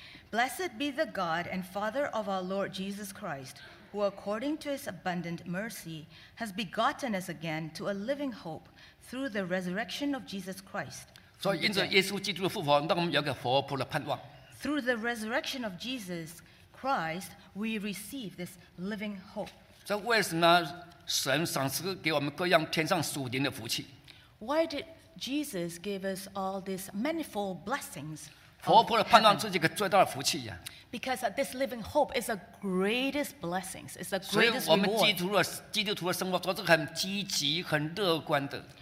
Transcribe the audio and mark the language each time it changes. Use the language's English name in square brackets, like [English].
[English] Blessed be the God and Father of our Lord Jesus Christ, who according to his abundant mercy has begotten us again to a living hope through the resurrection of Jesus Christ. [Chinese] 所以因着耶稣基督的复活，让我们有个活泼的盼望。 [English] Through the resurrection of Jesus Christ, we receive this living hope. [Chinese] 这为什么神赏赐给我们各样天上属灵的福气？ [English] Why did Jesus give us all these manifold blessings? [Chinese] 活泼的盼望是一个最大的福气呀。 [English] Because this living hope is the greatest blessings, it's the greatest reward. [Chinese] 基督徒的生活都是很积极、很乐观的。